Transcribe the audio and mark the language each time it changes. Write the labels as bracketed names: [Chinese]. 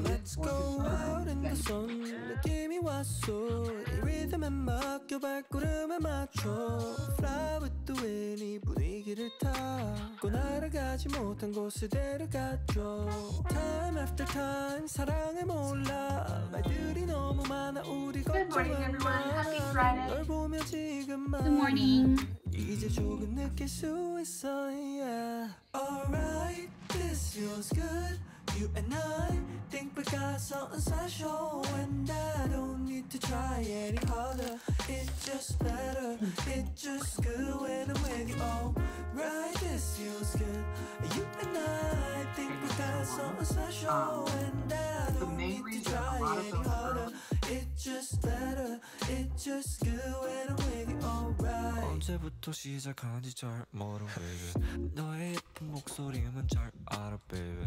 [English] Let's go out in the sun. [Korean] 느낌이 왔어. 리듬에 맡겨 발걸음에 맞춰 [English] Fly with the wind. [Korean] 이 분위기를 타고 날아가지 못한 곳을 데려가줘. [English] Time after time [Korean] 사랑을 몰라 말들이 너무 많아 우리 걱정은 [English] Good morning everyone, happy Friday. [Korean] 널 보며 지금 [English] Good morning. [Korean] 이제 조금 느낄 수 있어. Yeah. [English] Alright, this feels good. You and I think we got something special, and I don't need to try any harder. It's just better. It's just good when I'm with you. Alright, this feels good. You and I think we got something special, and I don't need to try any harder. It's just better. It's just good when I'm with you. Alright. [Korean] 언제부터 시작한지 잘 모르 baby. 너의 예쁜 목소리만 잘 알아 baby.